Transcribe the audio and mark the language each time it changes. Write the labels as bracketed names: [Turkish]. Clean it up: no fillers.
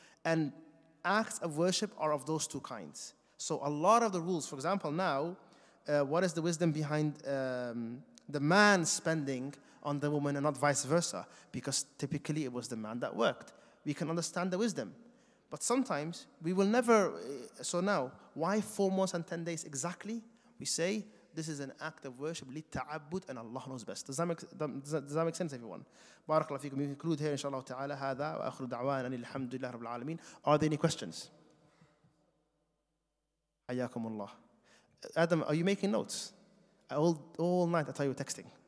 [English] And acts of worship are of those two kinds. So a lot of the rules, for example, now, what is the wisdom behind the man spending on the woman and not vice versa? Because typically it was the man that worked. We can understand the wisdom. But sometimes we will never, so now, why 4 months and 10 days exactly? We say, this is an act of worship, لِلْتَعَبُّدْ and Allah knows best. Does that make sense, everyone? [Arabic] بارك الله فيكم. [English] We conclude here, [Arabic] inshallah ta'ala, هذا وآخر دعوانا الحمد لله رب العالمين. [English] Are there any questions? [Arabic] حياكم الله. [English] Adam, are you making notes? All night I thought you were texting.